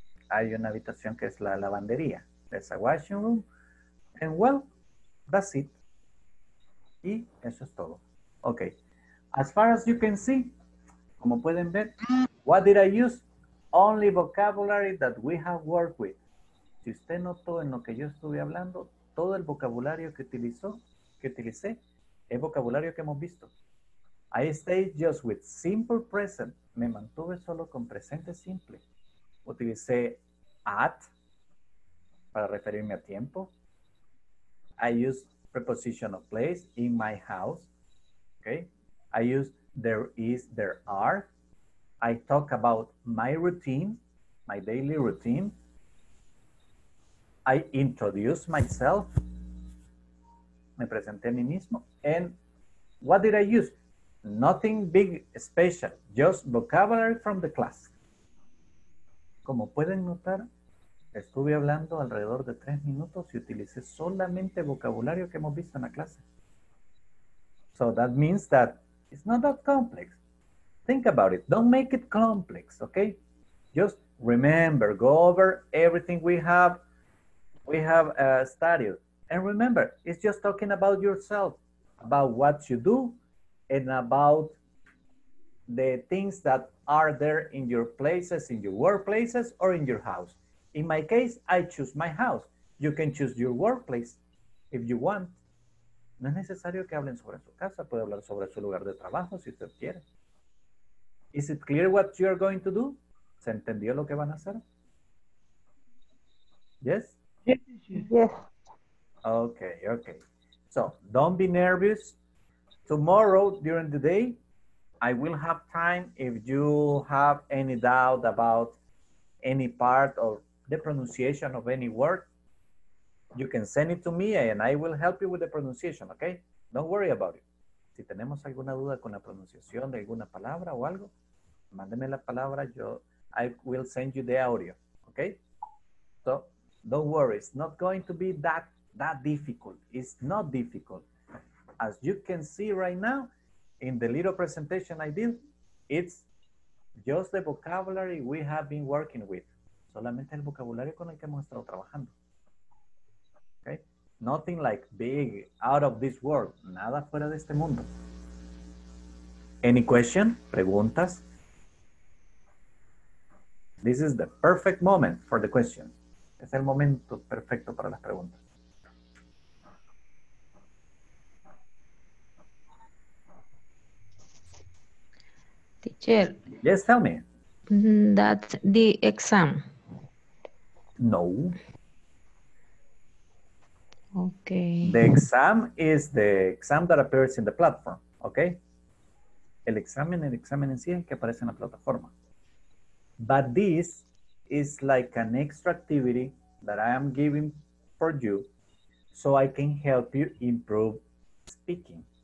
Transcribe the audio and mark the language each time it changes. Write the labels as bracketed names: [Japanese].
[Spanish] Hay una habitación que es la lavandería. [English] There's a washing room. And well, that's it. [Spanish] Y eso es todo. [English] Okay. As far as you can see, [Spanish] como pueden ver, [English] what did I use? Only vocabulary that we have worked with. [Spanish] Si usted notó en lo que yo estuve hablando, todo el vocabulario que utilicé, es vocabulario que hemos visto. [English] I stayed just with simple present. [Spanish] Me mantuve solo con presente simple. Utilicé at para referirme a tiempo. [English] I use preposition of place, in my house. Okay. I use there is, there are. I talk about my routine, my daily routine. I introduce myself. [Spanish] Me presenté a mí mismo. [English] And what did I use? Nothing big special, just vocabulary from the class. Como pueden notar, estuve hablando alrededor de 3 minutos y utilicé solamente vocabulario que hemos visto en la clase. So that means that it's not that complex. Think about it. Don't make it complex, okay? Just remember, go over everything we have studied. And remember, it's just talking about yourself, about what you do, and about the things that are there in your places, in your workplaces, or in your house. In my case, I choose my house. You can choose your workplace if you want. [Spanish] No es necesario que hablen sobre su casa. Puede hablar sobre su lugar de trabajo si usted quiere. [English] Is it clear what you are going to do? [Spanish] ¿Se entendió lo que van a hacer? [English] Yes? Yes. Okay, okay. So, don't be nervous. Tomorrow, during the day, I will have time if you have any doubt about any part or the pronunciation of any word. You can send it to me and I will help you with the pronunciation, okay? Don't worry about it. [Spanish] Si tenemos alguna duda con la pronunciación de alguna palabra o algo, mándeme la palabra, [English] I will send you the audio, okay? So, don't worry. It's not going to be that difficult. It's not difficult. As you can see right now, in the little presentation I did, it's just the vocabulary we have been working with. [Spanish] Solamente el vocabulario con el que hemos estado trabajando. [English] Okay? Nothing like big, out of this world. [Spanish] Nada fuera de este mundo. [English] Any question? [Spanish] Preguntas? [English] This is the perfect moment for the question. [Spanish] Es el momento perfecto para las preguntas. [English] Teacher. Yes, tell me. That's the exam. No. Okay. The exam is the exam that appears in the platform, okay? [Spanish] El examen en sí es el que aparece en la plataforma. [English] But this is like an extra activity that I am giving for you so I can help you improve speaking.